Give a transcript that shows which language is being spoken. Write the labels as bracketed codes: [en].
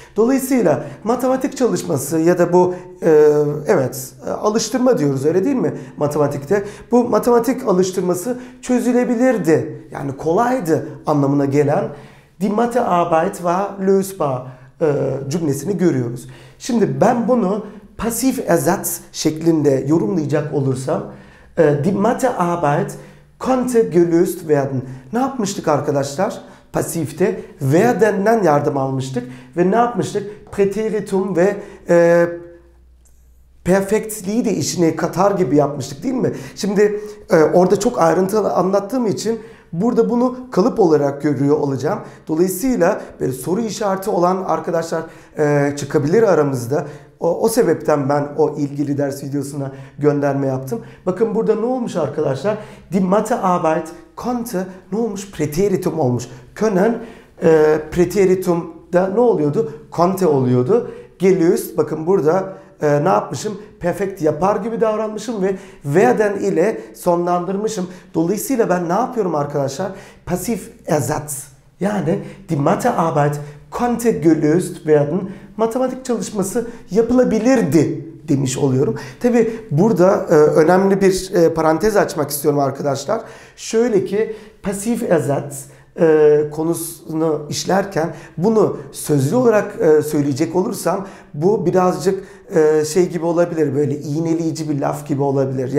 [tr] Dolayısıyla matematik çalışması ya da bu evet alıştırma diyoruz, öyle değil mi matematikte? Bu matematik alıştırması çözülebilirdi. Yani kolaydı anlamına gelen [de] die Mathe Arbeit war lösbar [tr] cümlesini görüyoruz. Şimdi ben bunu pasif ersatz şeklinde yorumlayacak olursam [de] die Mathe Arbeit konnte gelöst werden. [tr] Ne yapmıştık arkadaşlar? Pasifte werden'den yardım almıştık ve ne yapmıştık? Präteritum ve perfektliği de işine katar gibi yapmıştık, değil mi? Şimdi orada çok ayrıntılı anlattığım için burada bunu kalıp olarak görüyor olacağım. Dolayısıyla böyle soru işareti olan arkadaşlar çıkabilir aramızda. O sebepten ben o ilgili ders videosuna gönderme yaptım. Bakın burada ne olmuş arkadaşlar? [de] Die Mathe Arbeit konnte [tr] ne olmuş? Präteritum olmuş. Können präteritum da ne oluyordu? Konnte oluyordu. Gelöst, bakın burada ne yapmışım? Perfekt yapar gibi davranmışım ve werden ile sonlandırmışım. Dolayısıyla ben ne yapıyorum arkadaşlar? Pasif ersatz. Yani [de] die Mathe Arbeit konnte gelöst werden. [tr] Matematik çalışması yapılabilirdi demiş oluyorum. Tabi burada önemli bir parantez açmak istiyorum arkadaşlar. Şöyle ki pasif ersatz konusunu işlerken bunu sözlü olarak söyleyecek olursam bu birazcık şey gibi olabilir, böyle iğneleyici bir laf gibi olabilir.